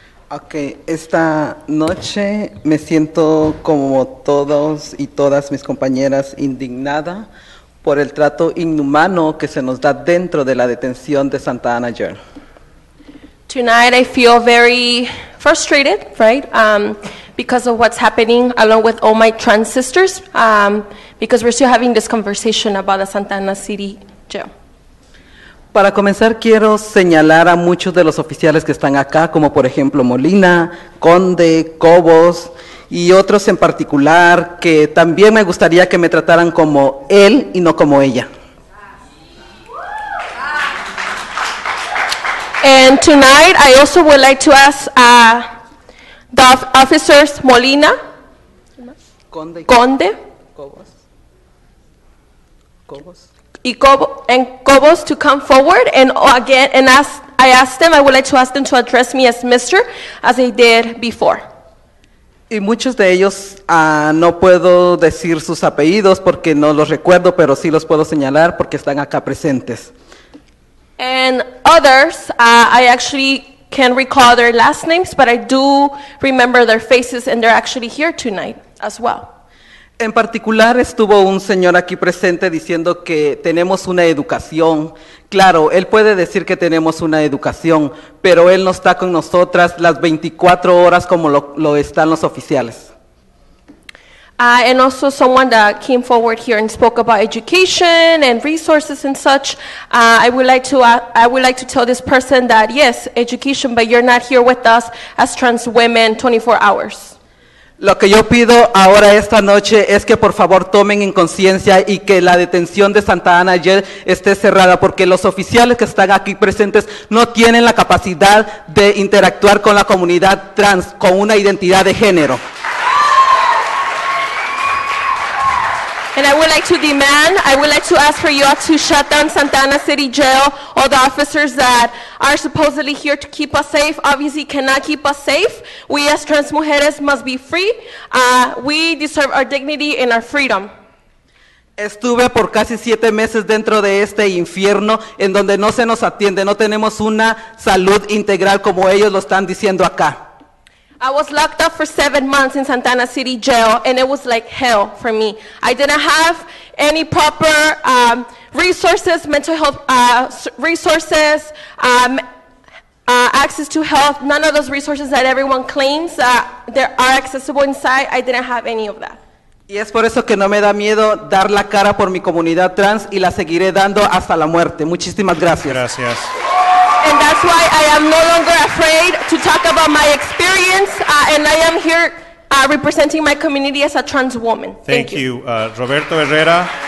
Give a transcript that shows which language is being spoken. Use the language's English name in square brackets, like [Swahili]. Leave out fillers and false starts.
[Spanish] Okay, esta noche me siento como todos y todas mis compañeras indignada por el trato inhumano que se nos da dentro de la detención de Santa Ana Jail. [English] Tonight I feel very frustrated, right, because of what's happening along with all my trans sisters, because we're still having this conversation about the Santa Ana City Jail. [Spanish] Para comenzar, quiero señalar a muchos de los oficiales que están acá, como por ejemplo Molina, Conde, Cobos, y otros en particular, que también me gustaría que me trataran como él y no como ella. [English] And tonight, I also would like to ask the officers Molina, Conde, Cobos. And Cobos to come forward and again and I would like to ask them to address me as Mr. as they did before. [Spanish] Y muchos de ellos no puedo decir sus apellidos porque no los recuerdo, pero sí los puedo señalar porque están acá presentes. [English] And others, I actually can't recall their last names, but I do remember their faces and they're actually here tonight as well. [Spanish] En particular, estuvo un señor aquí presente diciendo que tenemos una educación. Claro, él puede decir que tenemos una educación, pero él no está con nosotras las 24 horas como lo están los oficiales. [English] And also someone that came forward here and spoke about education and resources and such. I would like to tell this person that, yes, education, but you're not here with us as trans women 24 hours. [Spanish] Lo que yo pido ahora esta noche es que por favor tomen en conciencia y que la detención de Santa Ana Jail esté cerrada porque los oficiales que están aquí presentes no tienen la capacidad de interactuar con la comunidad trans con una identidad de género. [English] And I would like to ask for you all to shut down Santa Ana City Jail. All the officers that are supposedly here to keep us safe obviously cannot keep us safe. We as trans mujeres must be free. We deserve our dignity and our freedom. [Spanish] Estuve por casi 7 meses dentro de este infierno en donde no se nos atiende. No tenemos una salud integral como ellos lo están diciendo acá. [English] I was locked up for 7 months in Santa Ana City Jail, and it was like hell for me. I didn't have any proper resources, mental health resources, access to health, none of those resources that everyone claims that are accessible inside. I didn't have any of that. [Spanish] Y es por eso que no me da miedo dar la cara por mi comunidad trans y la seguiré dando hasta la muerte. Muchísimas gracias. Gracias. [English] And that's why I am no longer afraid to talk about my experience, and I am here representing my community as a trans woman. Thank you. Roberto Herrera.